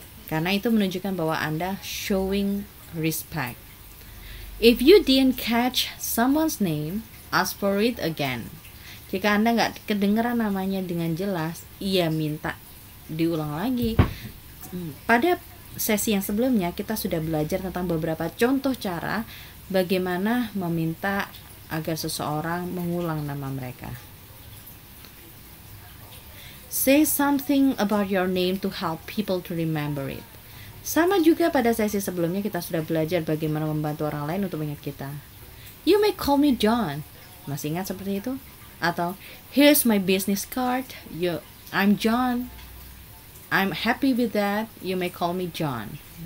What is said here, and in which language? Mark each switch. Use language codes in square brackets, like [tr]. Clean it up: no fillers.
[id] Karena itu menunjukkan bahwa Anda [en] showing respect. If you didn't catch someone's name, ask for it again. [id] Jika Anda nggak kedengeran namanya dengan jelas, ya minta diulang lagi. Pada sesi yang sebelumnya, kita sudah belajar tentang beberapa contoh cara bagaimana meminta agar seseorang mengulang nama mereka. [en] Say something about your name to help people to remember it. [id] Sama juga pada sesi sebelumnya, kita sudah belajar bagaimana membantu orang lain untuk ingat kita. [en] You may call me John. [id] Masih ingat seperti itu? [en] Atau, here's my business card. I'm John. I'm happy with that. You may call me John.